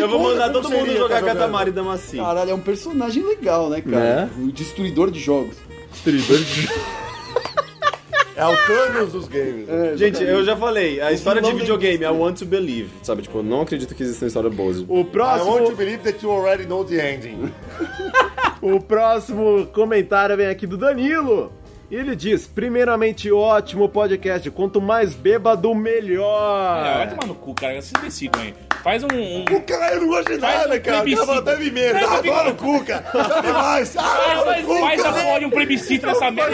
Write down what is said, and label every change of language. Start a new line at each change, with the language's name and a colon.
Portuguese: Eu vou mandar todo mundo jogar Katamari Damacy! Caralho, é um personagem legal, né, cara? O destruidor de jogos! Destruidor de jogos! É o Thanos dos games. É, gente, eu já falei, a história de videogame é I Want to Believe. Sabe, tipo, eu não acredito que existe uma história boa. O próximo...
English: I Want to Believe that you already know the ending.
Portuguese: O próximo comentário vem aqui do Danilo. Ele diz: primeiramente, ótimo podcast. Quanto mais bêbado, melhor. Vai tomar no cu, cara. Vocês decidam aí. Faz um... O cara, eu não gosto de nada, cara. Tá falando merda. Agora no cu, cara. Faz a porra de um plebiscito nessa merda.